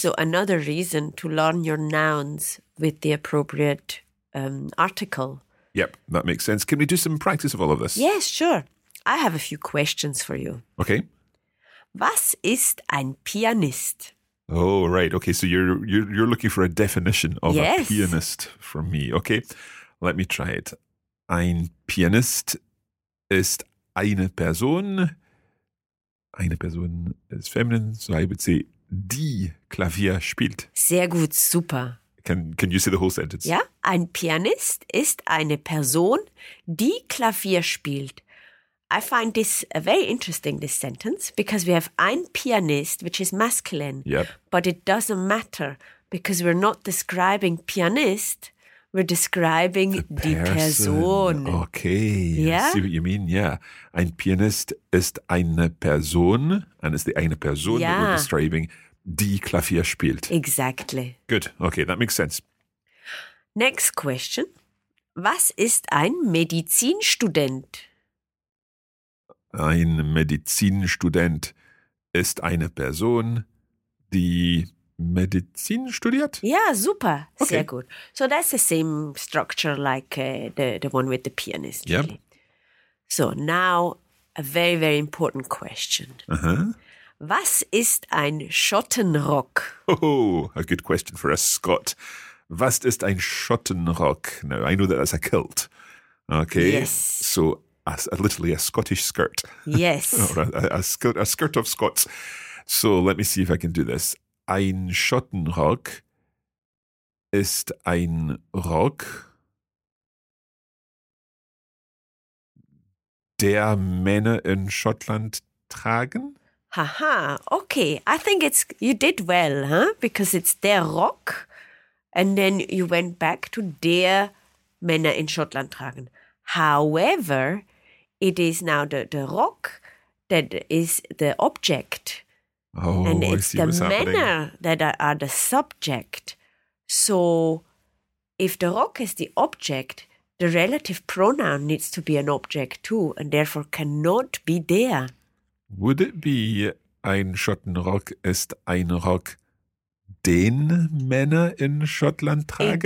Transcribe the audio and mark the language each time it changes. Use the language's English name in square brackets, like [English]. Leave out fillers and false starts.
[English] So another reason to learn your nouns with the appropriate article. Yep, that makes sense. Can we do some practice of all of this? Yes, sure. I have a few questions for you. Okay. [German] Was ist ein Pianist? [English] Oh, right. Okay, so you're looking for a definition of a pianist from me. Okay, let me try it. [German] Ein Pianist ist eine Person. Eine Person ist [English] feminine, so I would say, [German] die Klavier spielt. Sehr gut, super. [English] Can you say the whole sentence? [German] Ja, ein Pianist ist eine Person, die Klavier spielt. [English] I find this very interesting, this sentence, because we have ein Pianist, which is masculine. Yep. But it doesn't matter, because we're not describing Pianist, we're describing the person. Okay, yeah? I see what you mean, yeah. [German] Ein Pianist ist eine Person, [English] and it's the eine Person that we're describing, [German] die Klavier spielt. [English] Exactly. Good, okay, that makes sense. Next question. [German] Was ist ein Medizinstudent? Ein Medizinstudent ist eine Person, die Medizin studiert? Ja, super. Okay. Sehr gut. [English] So that's the same structure like the one with the pianist. Yep. So now a very, very important question. Uh-huh. [German] Was ist ein Schottenrock? [English] Oh, a good question for a Scot. [German] Was ist ein Schottenrock? [English] Now, I know that that's a kilt. Okay. Yes. So literally a Scottish skirt. Yes. Or a skirt of Scots. So let me see if I can do this. [German] Ein Schottenrock ist ein Rock, der Männer in Schottland tragen. [English] Haha, okay. I think it's, you did well, huh? Because it's der Rock and then you went back to [German] der Männer in Schottland tragen. [English] However, it is now the Rock that is the object. Oh, and I see what's happening. And it's the Männer that are the subject. So if the Rock is the object, the relative pronoun needs to be an object too and therefore cannot be der. Would it be [German] ein Schottenrock ist ein Rock, den Männer in Schottland tragen?